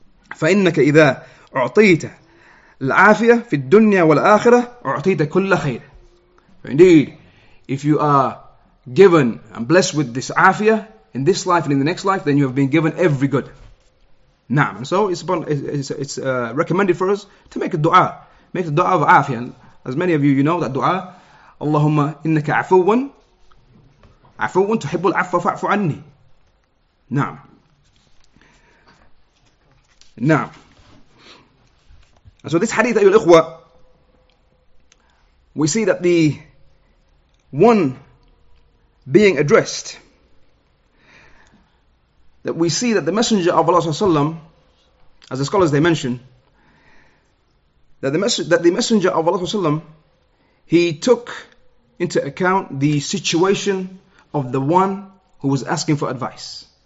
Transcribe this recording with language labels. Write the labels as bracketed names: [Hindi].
[Arabic] فَإِنَّكَ إِذَا أُعْطِيتَ الْعَافِيَةَ فِي الدُّنْيَا وَالْآخِرَةَ أُعْطِيتَ كُلَّ خَيْرٍ. [English] Indeed, if you are given and blessed with this afiyah in this life and in the next life, then you have been given every good. [Arabic] نعم. [English] So it's recommended for us to make a dua. Make a dua of afiyah. As many of you know that dua, [Arabic] اللهم إنك عفوٌ عفوٌ تحب العفو فاعف عني. نعم. [English] Now, so this hadith, [Arabic] ayyul ikhwa, [English] we see that the one being addressed, that we see that the Messenger of Allah, as the scholars they mention, that the Messenger of Allah, he took into account the situation of the one who was asking for advice.